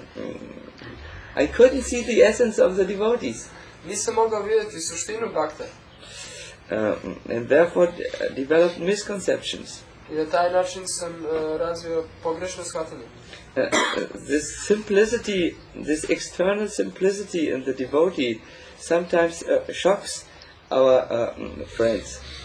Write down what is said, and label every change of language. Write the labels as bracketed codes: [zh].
[en] Anyways, I couldn't see the essence of the devotees. [sr] Nisam mogao vidjeti suštinu bhakta. [en] And therefore developed misconceptions. [sr] I na taj način sam razvio pogrešno shvatanje. [en] This simplicity, this external simplicity in the devotee sometimes shocks our friends.